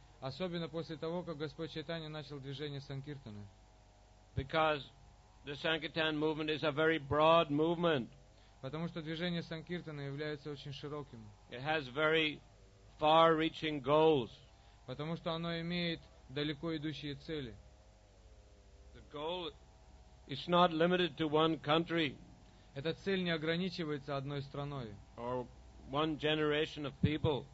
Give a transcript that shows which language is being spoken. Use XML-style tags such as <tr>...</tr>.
<ru>Особенно после того, как Господь Чайтанья начал движение Санкиртаны.</ru> <en>Because the Sankirtan movement is a very broad movement.</en> <ru>Потому что движение Санкиртаны является очень широким.</ru> <en>It has very far-reaching goals.</en> <ru>Потому что оно имеет далеко идущие цели.</ru> <en>The goal is not limited to one country.</en> <ru>Эта цель не ограничивается одной страной.</ru> <en>Or one generation of people.</en>